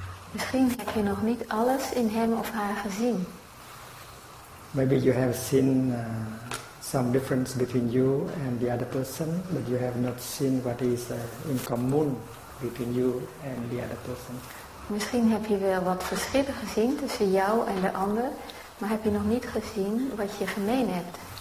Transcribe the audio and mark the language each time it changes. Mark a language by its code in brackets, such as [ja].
[nl] Misschien heb je nog niet alles in hem of haar gezien. [en] Maybe you have seen some difference between you and the other person, but you have not seen what is in common between you and the other person. [nl] Misschien heb je wel wat verschillen gezien tussen jou en de ander, maar heb je nog niet gezien wat je gemeen hebt.